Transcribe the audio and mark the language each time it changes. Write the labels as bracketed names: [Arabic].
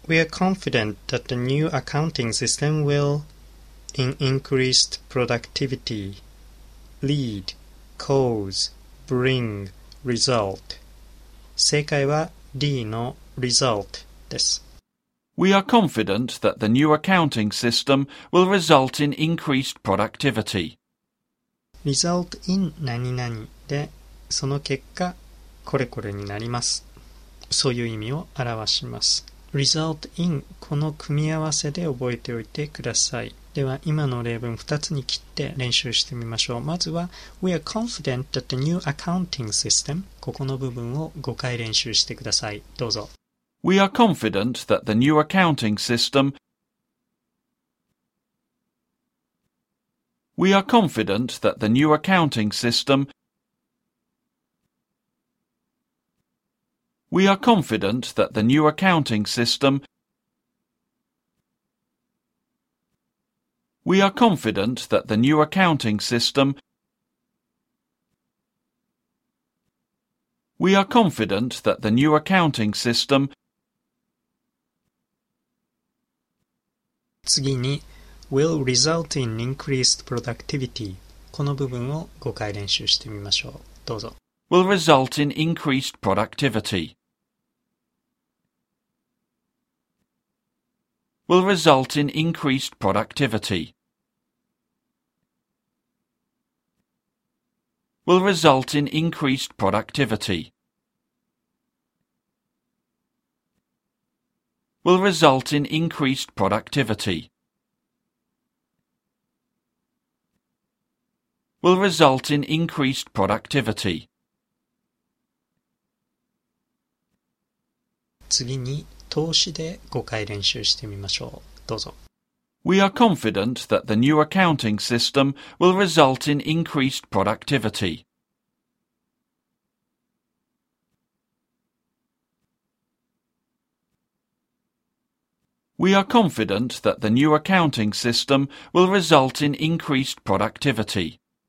[English] We are confident that the new accounting system will, in increased productivity, lead, cause, bring, result. [Japanese] 正解は D の result です。 [English] We are confident that the new accounting system will result in increased productivity. Result in [Japanese] 何々で、その結果、これこれになります。そういう意味を表します。 [English] Result in [Japanese] この組み合わせで覚えておいてください。では今の例文2つに切って練習してみましょう。まずは [English] We are confident that the new accounting system [Japanese] ここの部分を5回練習してください。どうぞ。 [English] We are confident that the new accounting system We are confident that the new accounting systemWe are confident that the new accounting system We are confident that the new accounting system We are confident that the new accounting system [Japanese] 次に [English] will result in increased productivity [Japanese] この部分を5回練習してみましょう。どうぞ。 [English] Will result in increased productivityWill result in increased productivity. Will result in increased productivity. Will result in increased productivity. Will result in increased productivity. [Japanese] 次に投資で5回練習してみましょう。どうぞ。 [English] We are confident that the new accounting system will result in increased productivity. We are confident that the new accounting system will result in increased productivity.